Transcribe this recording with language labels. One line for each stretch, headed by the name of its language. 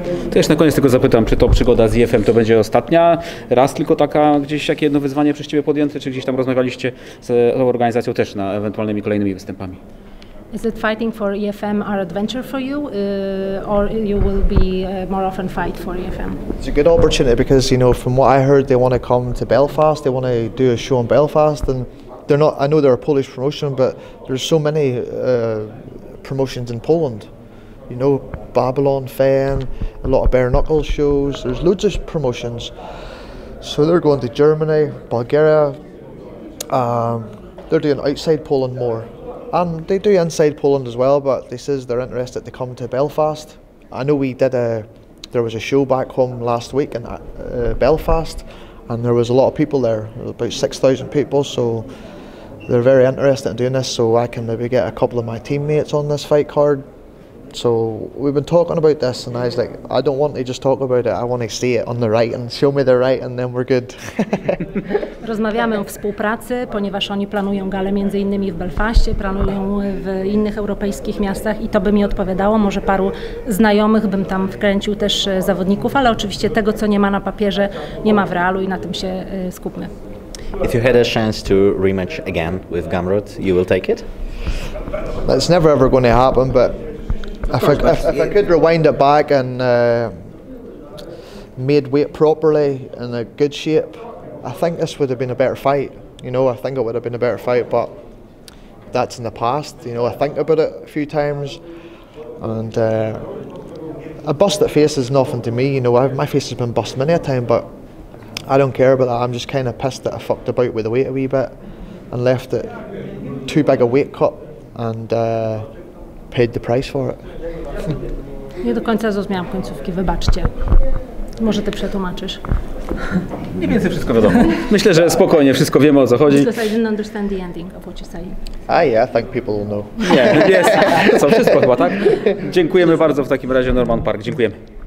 Polish: To jeszcze na koniec tylko zapytam, czy to przygoda z IFM to będzie ostatnia? Raz tylko taka gdzieś, jakie jedno wyzwanie przez ciebie podjęte, czy gdzieś tam rozmawialiście z organizacją też na ewentualnymi kolejnymi występami?
English: Is it fighting for EFM our adventure for you, or you will be more often fight for EFM? It's a good opportunity because, you know, from what I heard, they want to come to Belfast, they want to do a show in Belfast, and they're not, I know they're a Polish promotion, but there's so many promotions in Poland. You know, Babylon Fan, a lot of bare knuckle shows, there's loads of promotions. So they're going to Germany, Bulgaria, they're doing outside Poland more. And they do inside Poland as well, but they says they're interested to come to Belfast. I know we did there was a show back home last week in Belfast, and there was a lot of people there, about 6,000 people, so they're very interested in doing this, so I can maybe get a couple of my teammates on this fight card. So we've been talking about this, and I was like, I don't want to just talk about it, I want to see it on the right and show me the right, and then we're good.
Polish: Rozmawiamy o współpracy, ponieważ oni planują galę między innymi w Belfaście, planują w innych europejskich miastach i to by mi odpowiadało. Może paru znajomych bym tam wkręcił też zawodników, ale oczywiście tego, co nie ma na papierze, nie ma w realu i na tym się skupmy.
English: If you had a chance to rematch again with Gamrot, you will take it? That's never ever going to happen, but if I could rewind it back and made weight properly in a good shape, I think this would have been a better fight. You know, I think it would have been a better fight, but that's in the past. You know, I think about it a few times, and a busted face is nothing to me. You know, my face has been busted many a time, but I don't care about that. I'm just kind of pissed that I fucked about with the weight a wee bit and left it too big a weight cut and paid the price for it.
Polish: Nie do końca zrozumiałam końcówki, wybaczcie. Może ty przetłumaczysz. Mniej więcej wszystko wiadomo. Myślę, że spokojnie wszystko wiemy, o co chodzi.
English: I didn't understand the ending of what you say. Ah, yeah, I think people will know.
Polish: Nie,
English: yes.
Polish: Co, wszystko chyba, tak? Dziękujemy bardzo w takim razie, Norman Park. Dziękujemy.